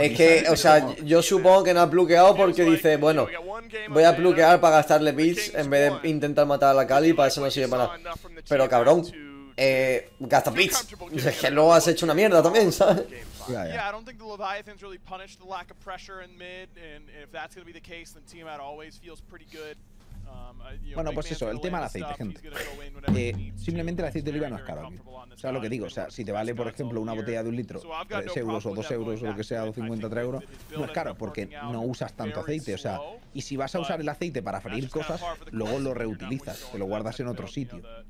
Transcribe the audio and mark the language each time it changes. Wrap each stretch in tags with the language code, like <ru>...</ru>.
<es>Es que, o sea, yo supongo que no ha plugueado porque dice, bueno, voy a plugear para gastarle bits en vez de intentar matar a la Cali, para eso no sirve para nada. Pero cabrón, gasta bits. Es que no has hecho una mierda también, ¿sabes?</es> <en>Yeah, I don't think the Leviathans really punished the lack of pressure in mid, and if that's gonna be the case, then Team Out always feels pretty good.</en> <es>Bueno, pues eso, el tema del aceite, gente. Simplemente el aceite de oliva no es caro aquí. O sea, lo que digo, o sea, si te vale, por ejemplo, una botella de un litro, 3 euros o 2 euros o lo que sea, o 50, 3 euros, no es caro porque no usas tanto aceite. O sea, y si vas a usar el aceite para freír cosas, luego lo reutilizas, te lo guardas en otro sitio.</es>